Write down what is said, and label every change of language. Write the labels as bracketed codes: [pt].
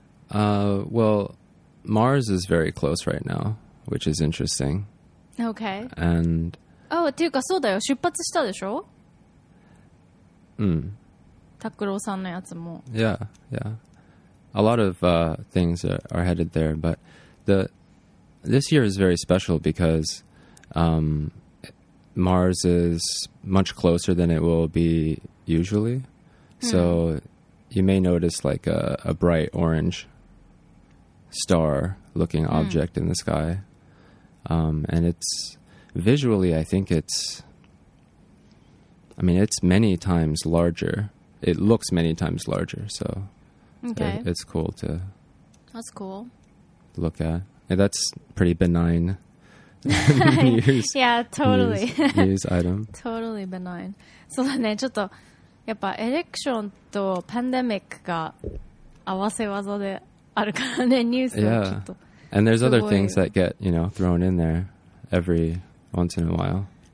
[en] Well, Mars is very close right now, which is interesting. Okay. And... [ja] Oh, っていうかそうだよ。出発したでしょ? うん。タクローさんのやつも。 Yeah, yeah. [en] A lot of things are headed there, but this year is very special because... Mars is much closer than it will be usually. So you may notice like a bright orange star looking object in the sky. And it's visually, I think it's, I mean, it's many times larger. It looks many times larger. So it's cool to That's cool. look at. And that's pretty benign. news, yeah, totally. News item. Totally benign. [ja] そうだね、ちょっとやっぱエレクションとパンデミックが合わせ技であるからね、ニュースはちょっと。 Yeah. [en] And there's other things that get, you know, thrown in there every once in a while.